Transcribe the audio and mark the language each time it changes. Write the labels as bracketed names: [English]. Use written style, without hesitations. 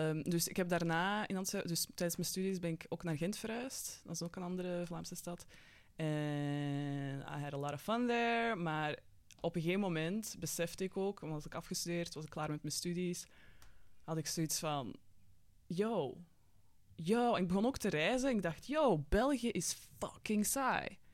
[Dutch] Dus ik heb daarna in Antwerpen... Dus tijdens mijn studies ben ik ook naar Gent verhuisd. Dat is ook een andere Vlaamse stad. [English] En I had a lot of fun there. [Dutch] Maar op een gegeven moment besefte ik ook... Want was ik afgestudeerd, was ik klaar met mijn studies. Had ik zoiets van... Yo, ik begon ook te reizen en ik dacht, yo, België is fucking saai.